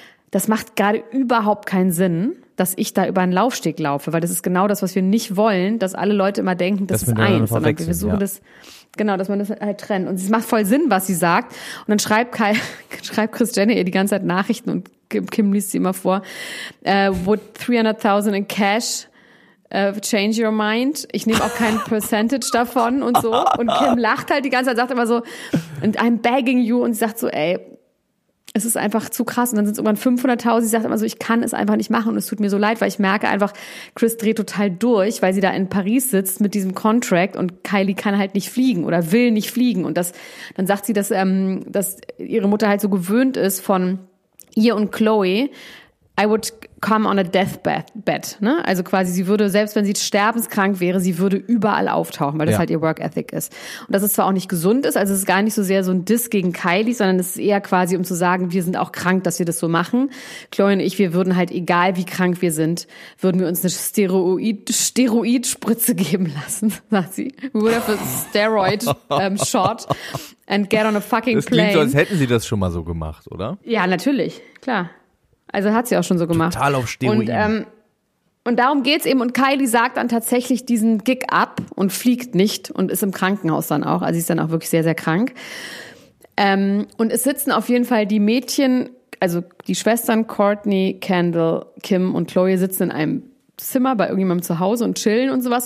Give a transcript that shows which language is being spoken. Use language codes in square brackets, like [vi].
[de] Das macht gerade überhaupt keinen Sinn, dass ich da über einen Laufsteg laufe, weil das ist genau das, was wir nicht wollen, dass alle Leute immer denken, das ist eins, sondern wir versuchen das, genau, dass man das halt trennt. Und es macht voll Sinn, was sie sagt. Und dann schreibt Kris Jenner ihr die ganze Zeit Nachrichten und Kim liest sie immer vor. [en] Would 300.000 in cash change your mind? [de] Ich nehme auch kein Percentage davon und so. Und Kim lacht halt die ganze Zeit, sagt immer so, [en] and I'm begging you. [de] Und sie sagt so, ey, es ist einfach zu krass. Und dann sind es irgendwann 500.000. Sie sagt immer so, ich kann es einfach nicht machen. Und es tut mir so leid, weil ich merke einfach, Kris dreht total durch, weil sie da in Paris sitzt mit diesem Contract. Und Kylie kann halt nicht fliegen oder will nicht fliegen. Und das, dann sagt sie, dass ihre Mutter halt so gewöhnt ist von ihr und Chloe. [en] I would come on a deathbed. [de] Ne? Also quasi, sie würde, selbst wenn sie sterbenskrank wäre, sie würde überall auftauchen, weil das halt ihr Work Ethic ist. Und dass es zwar auch nicht gesund ist, also es ist gar nicht so sehr so ein Diss gegen Kylie, sondern es ist eher quasi, um zu sagen, wir sind auch krank, dass wir das so machen. Chloe und ich, wir würden halt, egal wie krank wir sind, würden wir uns eine Steroid-Spritze geben lassen, sagt sie. [en] We would have a steroid shot and get on a fucking plane. [de] Das klingt so, als hätten sie das schon mal so gemacht, oder? Ja, natürlich, klar. Also hat sie auch schon so gemacht. Total auf Steroid. Und darum geht's eben. Und Kylie sagt dann tatsächlich diesen Gig ab und fliegt nicht und ist im Krankenhaus dann auch. Also sie ist dann auch wirklich sehr, sehr krank. Und es sitzen auf jeden Fall die Mädchen, also die Schwestern Courtney, Kendall, Kim und Chloe sitzen in einem Zimmer bei irgendjemandem zu Hause und chillen und sowas.